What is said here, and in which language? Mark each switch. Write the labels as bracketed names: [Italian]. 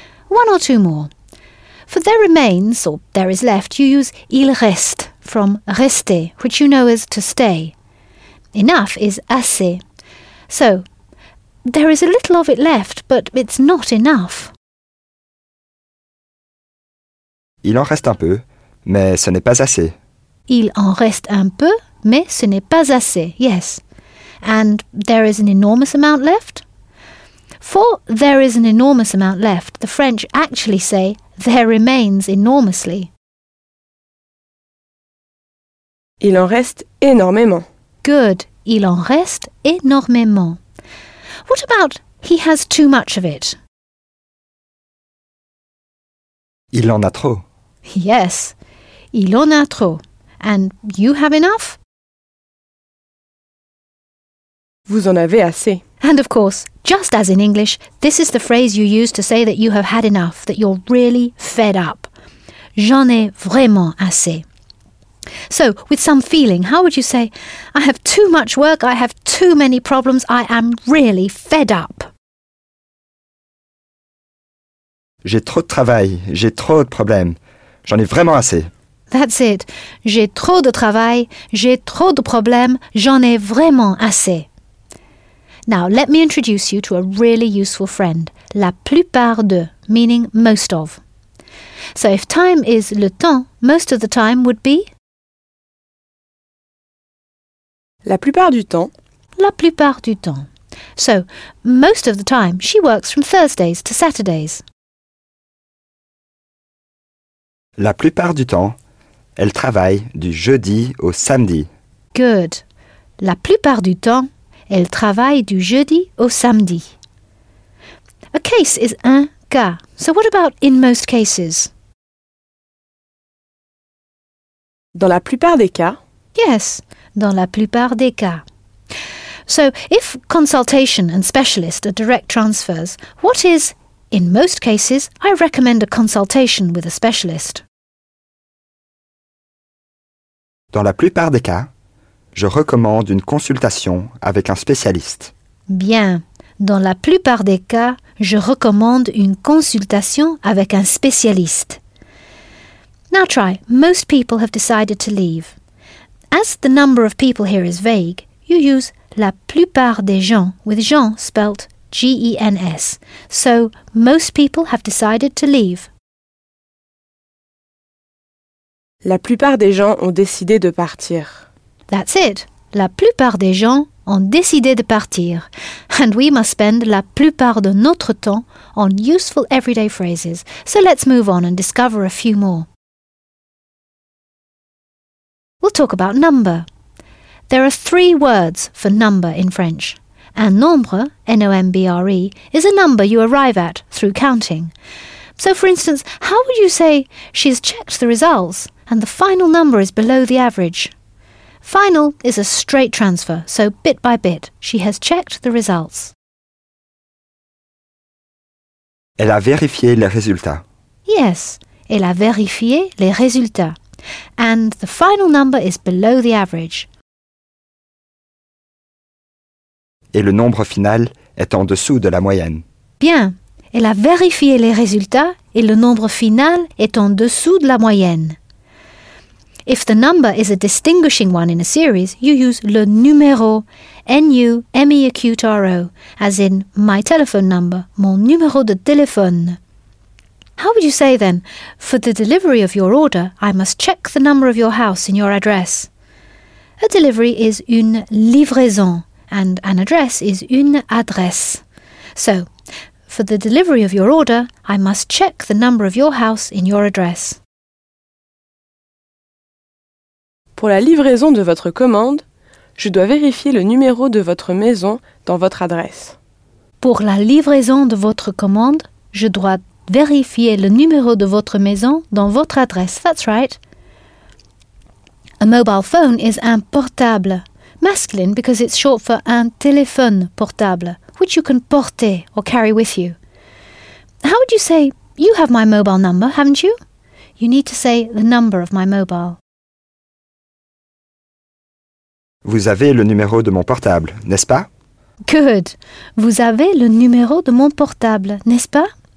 [English] One or two more. For there remains, or there is left, you use [French] il reste [English] from rester, which you know is to stay. Enough is assez. So, there is a little of it left, but it's not enough. [French] Il en reste un peu, mais ce n'est pas assez. Il en reste un peu, mais ce n'est pas assez, yes. [English] And there is an enormous amount left? For there is an enormous amount left, the French actually say there remains enormously. [French] Il en reste énormément. [English] Good. [French] Il en reste énormément. [English] What about he has too much of it? [French] Il en a trop. [English] Yes, [French] il en a trop. [English] And you have enough? [French] Vous en avez assez. [English] And of course, just as in English, this is the phrase you use to say that you have had enough, that you're really fed up. [French] J'en ai vraiment assez. [English] So, with some feeling, how would you say, I have too much work, I have too many problems, I am really fed up. [French] J'ai trop de travail, j'ai trop de problèmes, j'en ai vraiment assez. [English] That's it. [French] J'ai trop de travail, j'ai trop de problèmes, j'en ai vraiment assez. [English] Now, let me introduce you to a really useful friend, la plupart de, meaning most of. So, if time is le temps, most of the time would be... [French] La plupart du temps. La plupart du temps. [English] So, most of the time, she works from Thursdays to Saturdays. [French] La plupart du temps, elle travaille du jeudi au samedi. [English] Good. [French] La plupart du temps, elle travaille du jeudi au samedi. [English] A case is un cas. So what about in most cases? [French] Dans la plupart des cas. Yes. Dans la plupart des cas. [English] So, if consultation and specialist are direct transfers, what is, in most cases, I recommend a consultation with a specialist? [French] Dans la plupart des cas, je recommande une consultation avec un spécialiste. Bien. Dans la plupart des cas, je recommande une consultation avec un spécialiste. [English] Now try. Most people have decided to leave. As the number of people here is vague, you use [French] la plupart des gens, [English] with gens spelt G-E-N-S. So, most people have decided to leave. [French] La plupart des gens ont décidé de partir. [English] That's it. [French] la plupart des gens ont décidé de partir. [English] And we must spend [French] la plupart de notre temps [English] on useful everyday phrases. So let's move on and discover a few more. We'll talk about number. There are three words for number in French. Un nombre, N-O-M-B-R-E, is a number you arrive at through counting. So, for instance, how would you say she's checked the results and the final number is below the average? Final is a straight transfer, so bit by bit, she has checked the results. [French] Elle a vérifié les résultats. Yes, elle a vérifié les résultats. [English] And the final number is below the average. [French] Et le nombre final est en dessous de la moyenne. Bien, elle a vérifié les résultats et le nombre final est en dessous de la moyenne. [English] If the number is a distinguishing one in a series, you use le numéro, N-U-M-E-A-Q-T-R-O, as in my telephone number, [French] mon numéro de téléphone. [English] How would you say then, for the delivery of your order, I must check the number of your house in your address? A delivery is une livraison, and an address is une adresse. So, for the delivery of your order, I must check the number of your house in your address. [French] Pour la livraison de votre commande, je dois vérifier le numéro de votre maison dans votre adresse. Pour la livraison de votre commande, je dois vérifier le numéro de votre maison dans votre adresse. [English] That's right. A mobile phone is un portable. Masculine because it's short for [French] un téléphone portable, [English] which you can porter or carry with you. How would you say, you have my mobile number, haven't you? You need to say the number of my mobile. [French] Vous avez le numéro de mon portable, n'est-ce pas? [English] Good. [French] Vous avez le numéro de mon portable, n'est-ce pas?